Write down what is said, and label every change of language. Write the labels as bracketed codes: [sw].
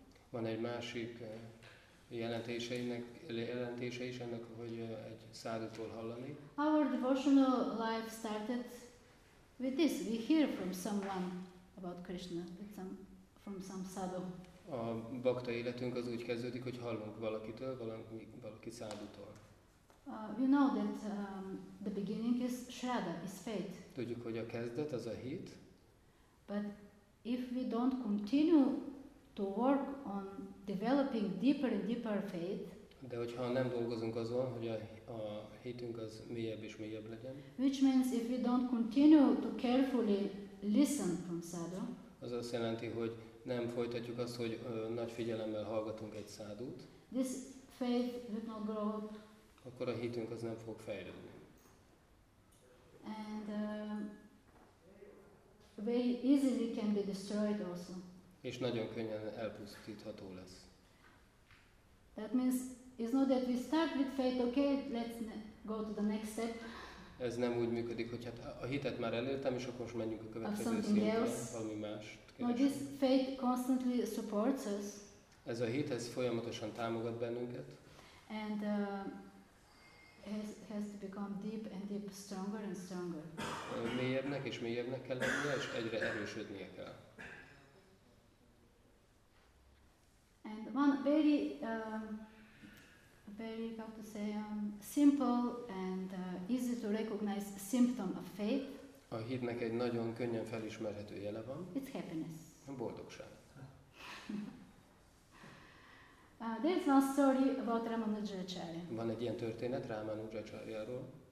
[hu] Van egy másik jelentése is ennek, hogy egy sadhutól hallani. [en] Our devotional life started with this. We hear from someone about Krishna, from some sadhu. [hu] A bhakta életünk az úgy kezdődik, hogy hallunk valakitől, valaki sadhutól. [en] We know that the beginning is shraddha, is faith. [hu] Tudjuk, hogy a kezdet az a hit. [en] But if we don't continue to work on developing deeper and deeper faith, [hu] de hogyha nem dolgozunk azon, hogy a hitünk az mélyebb és mélyebb legyen, [en] which means if we don't continue to carefully listen from sadhu, [hu] az azt jelenti, hogy nem folytatjuk azt, hogy nagy figyelemmel hallgatunk egy sadhut, [en] this faith will not grow up. [hu] Akkor a hitünk az nem fog fejlődni. [en] And very easily can be destroyed also. [hu] És nagyon könnyen elpusztítható lesz. [en] That means it's not that we start with faith, okay, let's go to the next step. [hu] Ez nem úgy működik, hogy hát a hitet már elértem, és akkor most menjünk a következő szintre, valami mást keresünk. [en] No, this faith constantly supports us. [hu] Ez a hit, ez folyamatosan támogat bennünket. [en] And has to become deep and deep, stronger and stronger. [hu] Mélyebbnek és mélyebbnek kell lennie, és egyre erősödnie kell. [en] And one very very, how to say, simple and easy to recognize symptom of faith. [hu] A hitnek egy nagyon könnyen felismerhető jele van. [en] It's happiness. [hu] A boldogság. [en] There is one story about Ramanujacharya. [hu] Van egy ilyen történet Ramanujacharyáról.